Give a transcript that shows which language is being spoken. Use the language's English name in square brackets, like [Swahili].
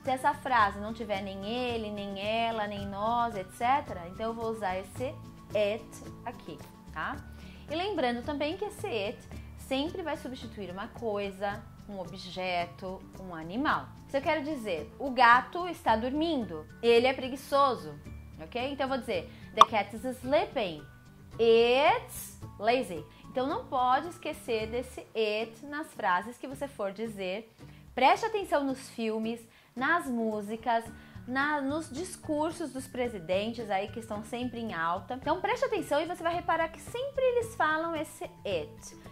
[Portuguese] Se essa frase não tiver nem ele, nem ela, nem nós, etc., então eu vou usar esse it aqui, tá? E lembrando também que esse it sempre vai substituir uma coisa, um objeto, um animal. Se eu quero dizer, o gato está dormindo, ele é preguiçoso. Ok? Então eu vou dizer, [English] the cat is sleeping, it's lazy. [Portuguese] Então não pode esquecer desse it nas frases que você for dizer. Preste atenção nos filmes, nas músicas, nos discursos dos presidentes aí que estão sempre em alta. Então preste atenção e você vai reparar que sempre eles falam esse it.